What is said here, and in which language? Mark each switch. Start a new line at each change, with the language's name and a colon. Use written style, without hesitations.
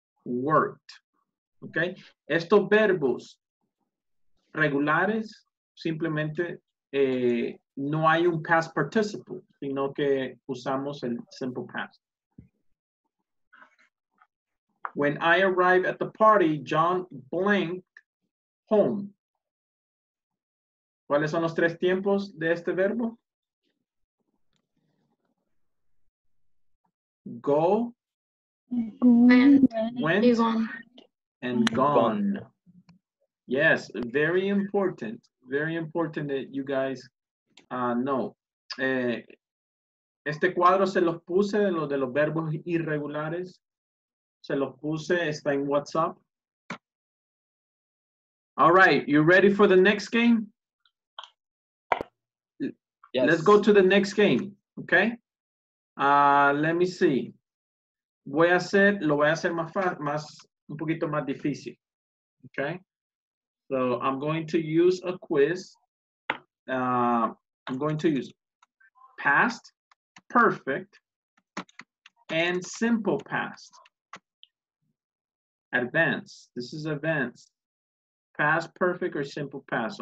Spanish: Worked. Okay. Estos verbos regulares, simplemente no hay un past participle, sino que usamos el simple past.
English: When I arrived at the party, John blanked home.
Spanish: ¿Cuáles son los tres tiempos de este verbo?
English: Go, went, and gone. Yes, very important. Very important that you guys know.
Spanish: Este cuadro se los puse de los verbos irregulares. Se los puse, está en WhatsApp.
English: All right, you ready for the next game? Yes. Let's go to the next game, okay? Let me see.
Spanish: Voy a hacer, lo voy a hacer más fácil, más, un poquito más difícil, okay?
English: So I'm going to use a quiz. I'm going to use past, perfect, and simple past. Advanced. This is advanced. Past, perfect, or simple past.